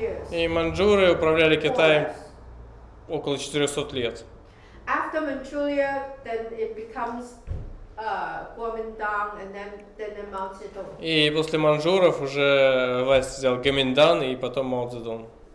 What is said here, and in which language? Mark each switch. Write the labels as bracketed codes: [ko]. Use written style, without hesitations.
[ru] И Маньчжуры управляли Китаем около 400 лет. [en] After Manchuria, then it becomes Kuomintang, and then Mao Zedong. [ru] И после Маньчжуров уже власть взял Гоминьдан и потом Мао Цзэдун.